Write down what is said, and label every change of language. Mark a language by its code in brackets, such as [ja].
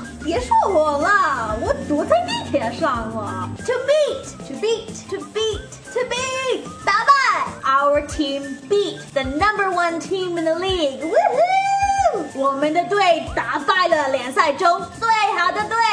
[zh] 别说我了，我堵在地铁上了。 [en] To beat, to beat, to beat, to beat. 打败 Our team beat the number one team in the league. Woohoo! [zh] 我们的队打败了联赛中最好的队。